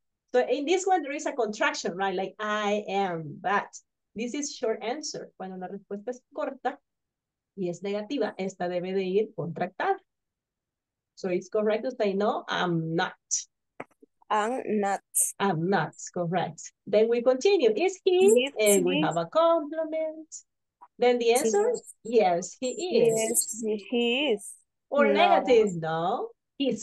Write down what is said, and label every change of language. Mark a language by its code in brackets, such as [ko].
[en] So in this one, there is a contraction, right? Like, I am, but this is short answer. [es] Cuando la respuesta es corta y es negativa, esta debe de ir contractada. [en] So it's correct to say, no, I'm not. I'm not. I'm not, correct. Then we continue, is he? Yes, And we have a compliment. Then the answer, yes, he is. Yes, he is. Or No, negative, no, he's